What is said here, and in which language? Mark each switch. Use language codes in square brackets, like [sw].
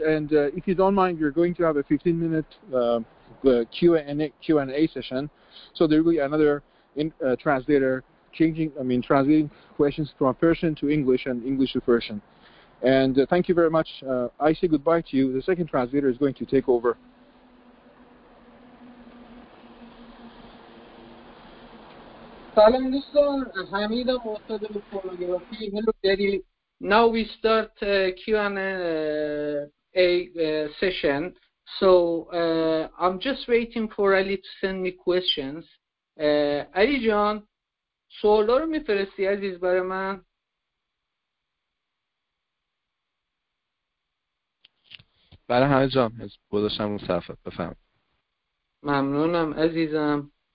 [en] And if you don't mind, you're going to have a 15-minute Q&A session. So there will be another translator translating questions from Persian to English and English to Persian. And thank you very much. I say goodbye to you. The second translator is going to take over. [fa] سلام دوستان، حمیدم استاد پورنوگرافی. [en] هلو دیدی. Now we start Q&A session. So I'm just waiting for Ali to send me questions. [fa] Ali جان، سوالا رو میفرستی عزیز برای من؟ برای همه جان، گذاشتم رو صفحه، بفهم. ممنونم عزیزم.